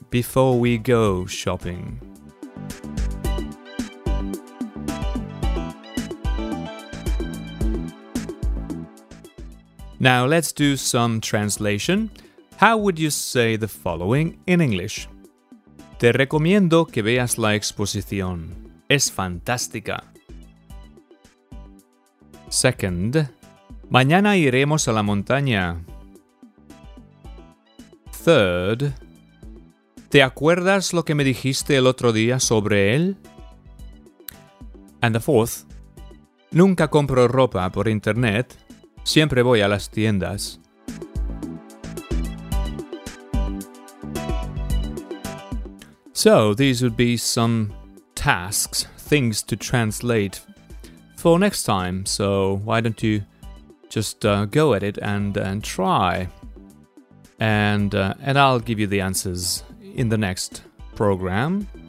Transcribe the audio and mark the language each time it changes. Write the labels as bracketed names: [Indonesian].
[English] Before we go shopping. Now let's do some translation. How would you say the following in English? [Spanish] Te recomiendo que veas la exposición. Es fantástica. Second, mañana iremos a la montaña. Third, ¿te acuerdas lo que me dijiste el otro día sobre él? [English] And the fourth, [Spanish] nunca compro ropa por internet. Siempre voy a las tiendas. [English] So, these would be some tasks, things to translate for next time. So, why don't you just go at it and try. And I'll give you the answers in the next program.